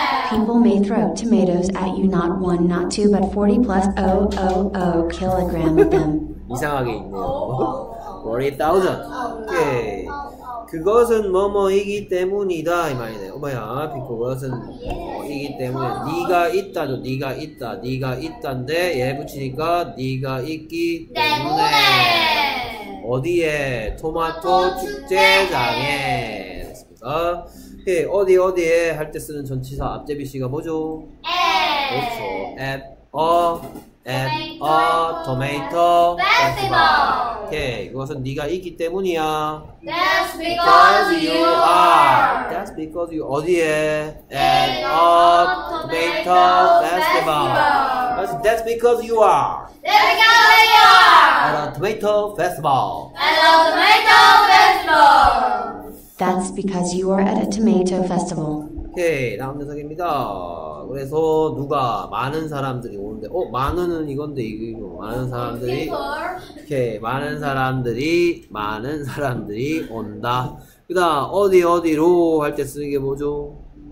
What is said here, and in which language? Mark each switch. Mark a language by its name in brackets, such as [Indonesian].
[English] People may throw tomatoes at you, not one, not two, but 40 plus 000 kilograms of them. [Korean] 이상하게 있네요. 40,000. 오케이. 그것은 뭐뭐이기 때문이다 이 말이네. 엄마야, 그것은 뭐뭐이기 때문에 네가 있다죠. 네가 있다, 네가 있다인데 얘 붙이니까 네가 있기 때문에. 어디에? 토마토 축제장에. 됐습니까? 오케이. 어디 어디에 할 때 쓰는 전치사 앞제비씨가 뭐죠? [English] At. [Korean] 그렇죠. [English] At a. At a tomato festival. [Korean] 오케이. 그것은 네가 있기 때문이야. [English] That's because you are. That's because you [Korean] 어디에? [English] At a tomato festival. That's because you are. There we go, at a tomato festival. At a tomato festival. That's because you are at a tomato festival. [Korean] 오케이, 다음 녀석입니다. 그래서 누가 많은 사람들이 오는데, 많은은 이건데 이거 많은 사람들이. 오케이, 많은 사람들이 온다. 그다음 어디 어디로 할 때 쓰는 게 뭐죠?